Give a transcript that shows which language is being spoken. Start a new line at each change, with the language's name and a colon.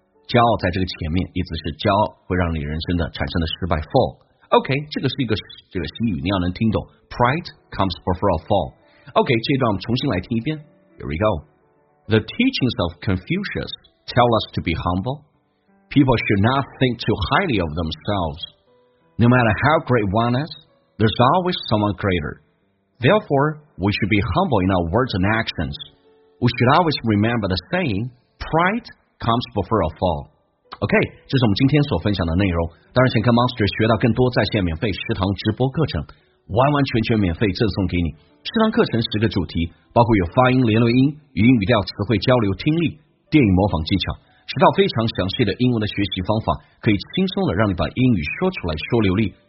Chinese: 骄傲在这个前面，意思是骄傲会让你人生的产生的失败 fall。 OK， 这个是一个西语，你要能听懂
English: pride comes before a fall。
Chinese: OK， 这一段我们重新来听一遍。
English: Here we go。 The teachings of Confucius tell us to be humble. People should not think too highly of themselves. No matter how great one is, there's always someone greater. Therefore, we should be humble in our words and actions. We should always remember the saying, pride comes before a fall.
Chinese: OK， 这是我们今天所分享的内容。当然想跟 Monster 学到更多在线免费食堂直播课程，完完全全免费赠送给你。食堂课程十个主题，包括有发音、连轮音、语音语调、词汇交流、听力、电影模仿技巧，直到非常详细的英文的学习方法，可以轻松的让你把英语说出来说流利。